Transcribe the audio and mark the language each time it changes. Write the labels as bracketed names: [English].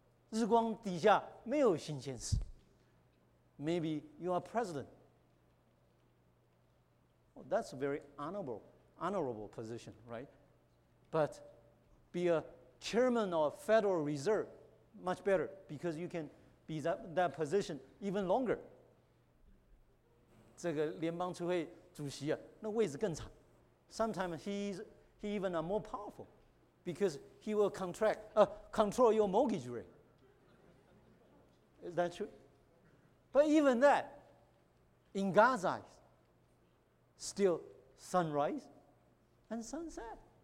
[Chinese] 日光底下没有新鲜事. [English] Maybe you are president. Well, that's a very honorable position, right? But be a chairman of Federal Reserve, much better, because you can be that position even longer. [Chinese] 这个联邦储会主席啊, 那位置更长. [English] Sometimes he even are more powerful, because he will control your mortgage rate. Is that true? But even that, in God's eyes, still sunrise and sunset.